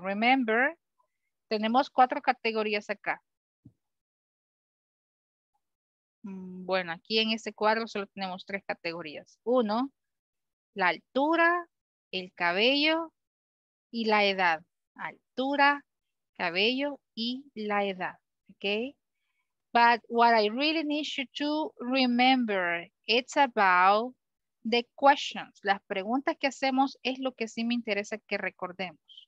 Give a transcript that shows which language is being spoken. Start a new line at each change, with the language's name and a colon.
Spanish: Remember, tenemos cuatro categorías acá. Bueno, aquí en este cuadro solo tenemos tres categorías. Uno, la altura, el cabello y la edad. Altura, cabello y la edad. Okay.
English: But what I really need you to remember, it's about the questions.
Spanish: Las preguntas que hacemos es lo que sí me interesa que recordemos.